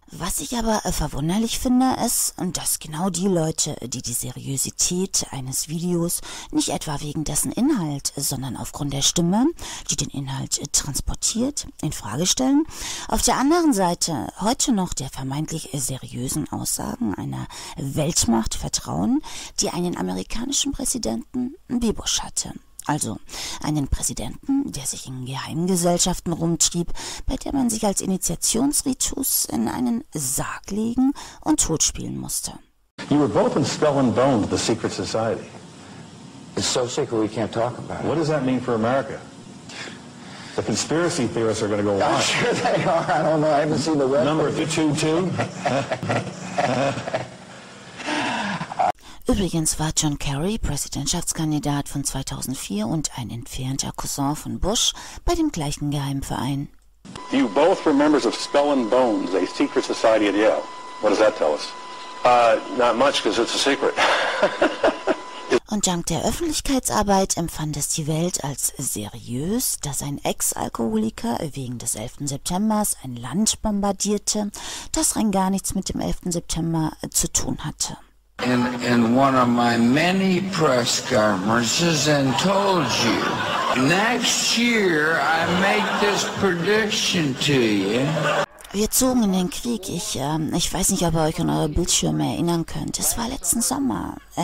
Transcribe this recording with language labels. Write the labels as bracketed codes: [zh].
[de] Was ich aber verwunderlich finde, ist, dass genau die Leute, die die Seriosität eines Videos nicht etwa wegen dessen Inhalt, sondern aufgrund der Stimme, die den Inhalt transportiert, in Frage stellen, auf der anderen Seite heute noch der vermeintlich seriösen Aussagen einer Weltmacht vertrauen, die einen amerikanischen Präsidenten wie Bush hatte. Also einen Präsidenten, der sich in Geheimgesellschaften rumtrieb, bei der man sich als Initiationsritus in einen Sarg legen und tot spielen musste. [en] You were both in Skull and Bone, the secret society. It's so secret we can't talk about it. What does that mean for America? The conspiracy theorists are going to go wild. I'm sure they are. I don't know. I haven't seen the web. Number 22? [de] Übrigens war John Kerry, Präsidentschaftskandidat von 2004 und ein entfernter Cousin von Bush, bei dem gleichen Geheimverein. [en] You both were members of Skull and Bones, a secret society at Yale. What does that tell us? Not much, because it's a secret. [de] Und dank der Öffentlichkeitsarbeit empfand es die Welt als seriös, dass ein Ex-Alkoholiker wegen des 11. September ein Land bombardierte, das rein gar nichts mit dem 11. September zu tun hatte. [en] In one of my many press conferences and told you, next year I make this prediction to you. [de] Wir zogen in den Krieg. Ich weiß nicht, ob ihr euch an eure Bildschirme erinnern könnt. Es war letzten Sommer.